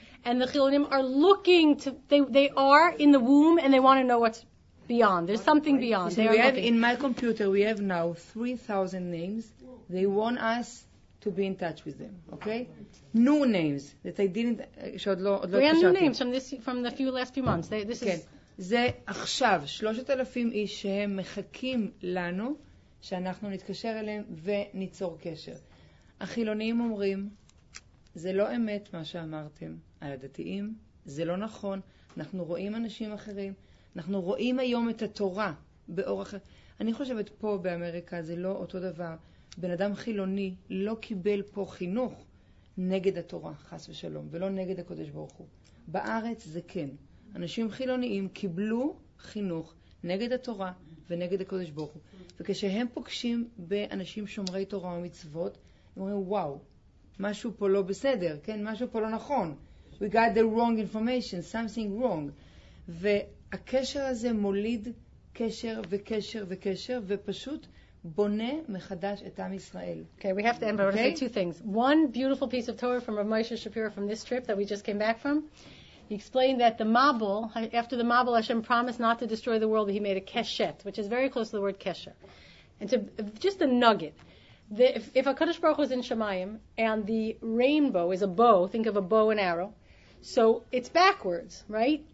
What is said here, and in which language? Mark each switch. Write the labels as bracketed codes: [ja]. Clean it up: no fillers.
[en] And the Chilonim are looking to, they are in the womb and they want to know what's beyond. There's something beyond. So we have in my computer, we have now 3,000 names. They want us to be in touch with them, okay? New names that I didn't show. Brand new names from the few last few months. This okay. [he] זה עכשיו 3,000 איש שהם מחכים לנו שאנחנו נתקשר אליהם וניצור קשר. החילונים אומרים, זה לא אמת מה שאמרתם. על הדתיים, זה לא נכון, אנחנו רואים אנשים אחרים, אנחנו רואים היום את התורה באור אחר. אני חושבת פה באמריקה זה לא אותו דבר. בן אדם חילוני לא קיבל פה חינוך נגד התורה, חס ושלום, ולא נגד הקודש ברוך הוא. בארץ זה כן. אנשים חילוניים קיבלו חינוך נגד התורה ונגד הקודש ברוך הוא. וכשהם פוגשים באנשים שומרי תורה ומצוות, הם אומרים, וואו, משהו פה לא בסדר, כן? משהו פה לא נכון. [en] We got the wrong information, something wrong. [he] והקשר הזה מוליד קשר וקשר וקשר, ופשוט בונה מחדש את עם ישראל. [en] Okay, we have to end, but I want to say 2 things. One beautiful piece of Torah from Rav Moshe Shapiro from this trip that we just came back from. He explained that the Mabul, after the Mabul, Hashem promised not to destroy the world, but he made a keshet, which is very close to the word kesher. And to, just a nugget. If a Kadosh Baruch Hu is in Shemayim and the rainbow is a bow, think of a bow and arrow, so it's backwards, right?